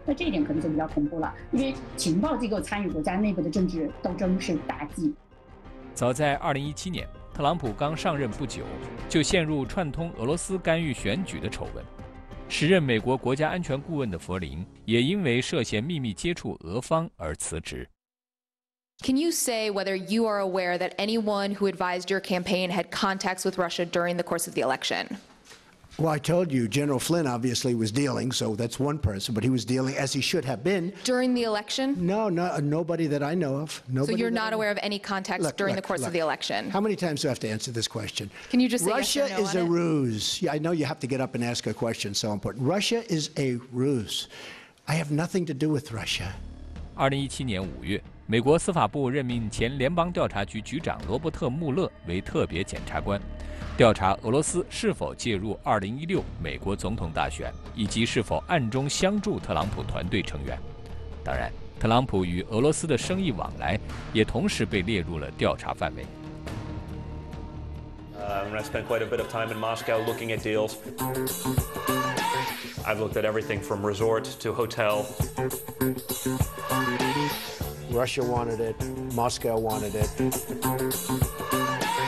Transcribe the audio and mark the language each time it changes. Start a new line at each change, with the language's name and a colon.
Chinese: 那这一点可能就比较恐怖了，因为情报机构参与国家内部的政治斗争是大忌。早在2017年，特朗普刚上任不久就陷入串通俄罗斯干预选举的丑闻，时任美国国家安全顾问的弗林也因为涉嫌秘密接触俄方而辞职。
English: Can you say whether you are aware that anyone who advised your campaign had contacts with Russia during the course of the election? Well, I told you General Flynn obviously was dealing, so that's one person, but he was dealing as he should have been. During the election? No, nobody that I know of. Nobody. So you're not aware of any contacts during the course of the election? How many times do I have to answer this question? Can you just say Russia yes or no is a ruse. Yeah, I know you have to get up and ask a question, so important. Russia is a ruse. I have nothing to do with Russia.
Chinese: 2017年5月，美国司法部任命前联邦调查局局长罗伯特·穆勒为特别检察官，调查俄罗斯是否介入2016美国总统大选，以及是否暗中相助特朗普团队成员。当然，特朗普与俄罗斯的生意往来也同时被列入了调查范围。
English: I'm going to spend quite a bit of time in Moscow looking at deals. I've looked at everything from resort to hotel. Russia wanted it. Moscow wanted it.